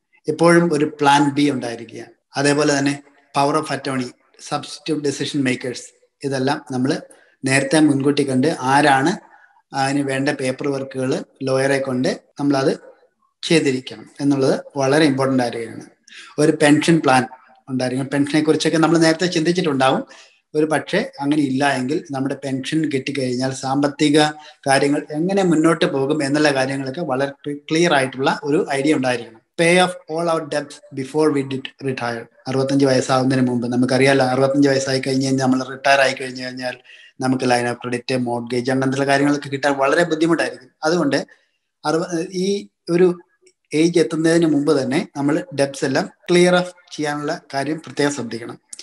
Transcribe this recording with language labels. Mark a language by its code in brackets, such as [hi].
[ml] എപ്പോഴും ഒരു plan B ഉണ്ടായിരിക്കുക. അതേപോലെ തന്നെ power of attorney, substitute decision makers, ഇതെല്ലാം നമ്മൾ നേരത്തെ മുൻകൂട്ടി കണ്ട് ആരാണ് അതിന് വേണ്ട പേപ്പർ വർക്കുകൾ ലോയറെ കൊണ്ട് നമ്മളത് ചെയ്തിരിക്കണം എന്നുള്ളത് വളരെ ഇമ്പോർട്ടൻ്റ് ആയിരിക്കുകയാണ്. ഒരു പെൻഷൻ പ്ലാൻ ഉണ്ടായിരിക്കണം. പെൻഷനെ കുറിച്ചൊക്കെ നമ്മൾ നേരത്തെ ചിന്തിച്ചിട്ടുണ്ടാവും. ഒരു പക്ഷേ അങ്ങനെ ഇല്ല എങ്കിൽ നമ്മുടെ പെൻഷൻ കിട്ടിക്കഴിഞ്ഞാൽ സാമ്പത്തിക കാര്യങ്ങൾ എങ്ങനെ മുന്നോട്ട് പോകും എന്നുള്ള കാര്യങ്ങളൊക്കെ വളരെ ക്ലിയർ ആയിട്ടുള്ള ഒരു ഐഡിയ ഉണ്ടായിരിക്കണം. [en] Pay off all our debts before we did retire. [ml] 65 വയസ്സാവുന്നതിന് മുമ്പ് നമുക്കറിയാലോ, 65 വയസ്സായി കഴിഞ്ഞ് കഴിഞ്ഞാൽ, നമ്മൾ റിട്ടയർ ആയി കഴിഞ്ഞു കഴിഞ്ഞാൽ നമുക്ക് ലൈൻ ഓഫ് ക്രെഡിറ്റ്, മോർഗേജ് അങ്ങനത്തെ കാര്യങ്ങളൊക്കെ കിട്ടാൻ വളരെ ബുദ്ധിമുട്ടായിരിക്കും. അതുകൊണ്ട് ഈ ഒരു ഏജ് എത്തുന്നതിന് മുമ്പ് തന്നെ നമ്മൾ ഡെബ്റ്റ്സ് എല്ലാം ക്ലിയർ ഓഫ് ചെയ്യാനുള്ള കാര്യം പ്രത്യേകം ശ്രദ്ധിക്കണം.